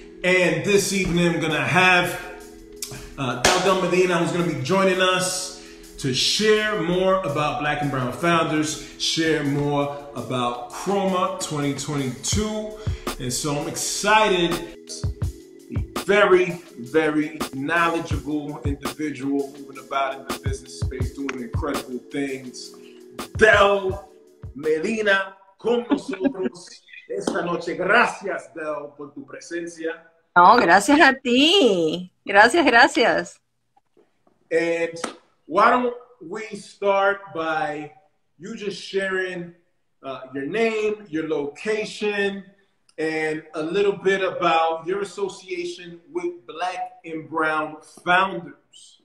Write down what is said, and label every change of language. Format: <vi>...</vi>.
<en>And this evening, I'm gonna have Deldelp Medina, who's gonna be joining us to share more about Black and Brown Founders, share more about Chroma 2022. And so I'm excited. A very, very knowledgeable individual moving about in the business space, doing incredible things.</en> <es>Del Medina, con nosotros esta noche. Gracias, Del, por tu presencia. No, gracias a ti. Gracias, gracias.</es> <en>And why don't we start by you just sharing your name, your location, and a little bit about your association with Black and Brown Founders.</en>